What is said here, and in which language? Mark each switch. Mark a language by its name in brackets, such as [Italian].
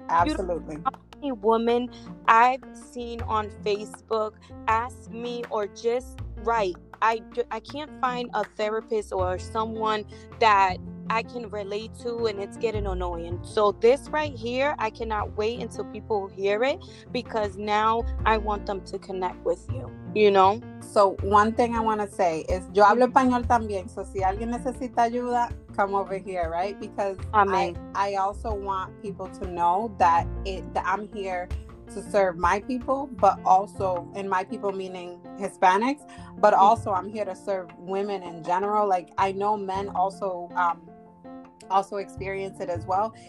[English] You know, any woman I've seen on Facebook ask me or just write, I can't find a therapist or someone that I can relate to, and it's getting annoying. So this right here, I cannot wait until people hear it, because now I want them to connect with you, you know? So one thing I want to say is, [Spanish] yo hablo español también, [English] so [Spanish] si alguien necesita ayuda, [English] come over here, right? Because I also want people to know that I'm here to serve my people, but also, and my people meaning Hispanics, but also I'm here to serve women in general. Like, I know men also experience it as well.